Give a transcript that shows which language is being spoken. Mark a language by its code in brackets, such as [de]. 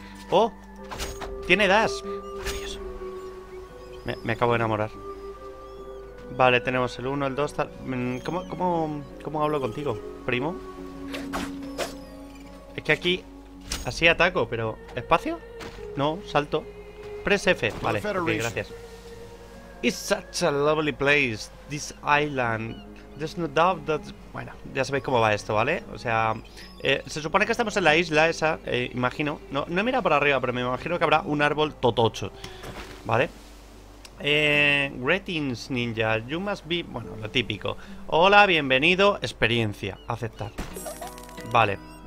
[es] ¡Oh! ¡Tiene dash! ¡Maravilloso! Me acabo de enamorar. Vale, tenemos el 1, el 2, tal. ¿Cómo hablo contigo, primo? Es que aquí así ataco, pero ¿espacio? No, salto. [en] Press F, [es] vale, okay, gracias. [en] It's such a lovely place, this island. There's no doubt that... [es] Bueno, ya sabéis cómo va esto, ¿vale? O sea, se supone que estamos en la isla esa, imagino. No, no he mirado para arriba, pero me imagino que habrá un árbol totocho, ¿vale? [en] Greetings, ninja. You must be... [es] Bueno, lo típico. Hola, bienvenido, experiencia. Aceptar. Vale.